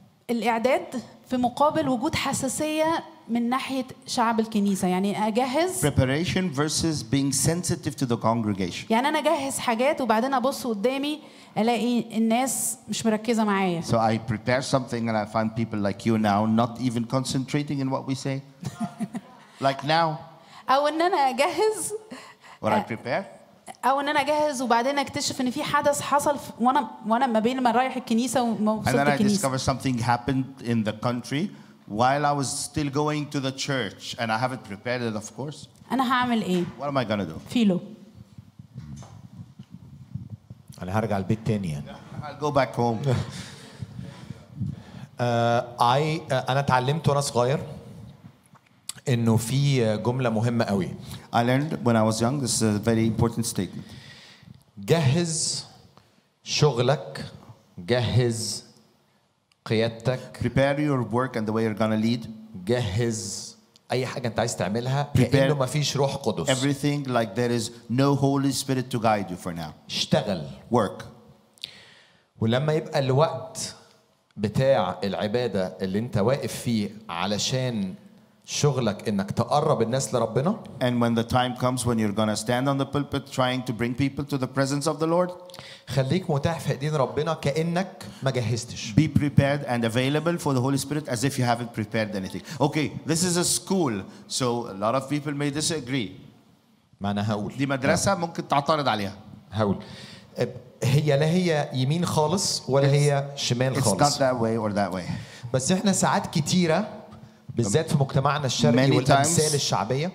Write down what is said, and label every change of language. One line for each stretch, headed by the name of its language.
Arabic: الإعداد في مقابل وجود حساسية من ناحية شعب الكنيسة. يعني أجهز.
English: Preparation versus being sensitive to the congregation.
Arabic: يعني أنا أجهز حاجات وبعدين أبص قدامي ألاقي الناس مش مركزة معايا.
English: So I prepare something and I find people like you now not even concentrating in what we say. Like now.
Arabic: أو إن أنا أجهز.
English: What I prepare.
Arabic: أو إن أنا أجهز وبعدين أكتشف إن في حدث حصل وأنا ما بين ما رايح الكنيسة وما وصلت الكنيسة.
English: And then I discover something happened in the country. While I was still going to the church, and I haven't prepared it, of course.
Arabic: أنا هعمل إيه؟
English: What am I gonna do?
Arabic: فيلو. أنا هرجع البيت تاني.
English: I'll go back home.
Arabic: أنا تعلمت وأنا صغير إنه في جملة مهمة قوي.
English: I learned when I was young. This is a very important statement.
Arabic: جهز شغلك. جهز.
English: Prepare your work and the way you're gonna lead.
Arabic: جهز أي حاجة أنت عايز تعملها.
English: Prepare.
Arabic: ما فيش روح قدس.
English: Everything like there is no Holy Spirit to guide you for now.
Arabic: اشتغل.
English: Work.
Arabic: ولما يبقى الوقت بتاع العبادة اللي أنت واقف فيه علشان شغلك إنك تقرب الناس لربنا.
English: And when the time comes when you're gonna stand on the pulpit trying to bring people to the presence of the Lord.
Arabic: خليك متاح في ايدين ربنا كأنك ما جهزتش.
English: Be prepared and available for the Holy Spirit as if you haven't prepared anything. Okay, this is a school, so a lot of people may disagree.
Arabic: ما أنا هقول. دي مدرسة ممكن تعترض عليها. هقول. هي لا هي يمين خالص ولا هي شمال خالص.
English: It's not that way or that way.
Arabic: بس إحنا ساعات كتيرة. بالذات في مجتمعنا الشرقي والأمثال الشعبية.